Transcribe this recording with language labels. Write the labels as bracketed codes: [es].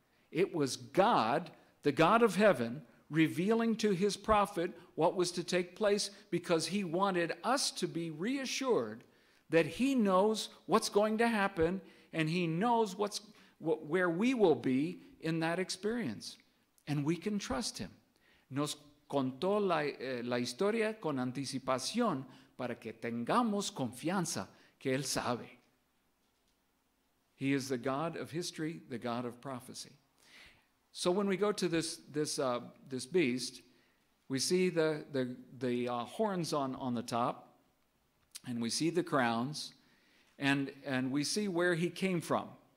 [en] It was God, the God of heaven, revealing to his prophet what was to take place because he wanted us to be reassured that he knows what's going to happen and he knows where we will be in that experience. And we can trust him. [es] Nos contó la historia con anticipación para que tengamos confianza que él sabe. [en] He is the God of history, the God of prophecy. So when we go to this beast, we see the horns on the top, and we see the crowns, and we see where he came from.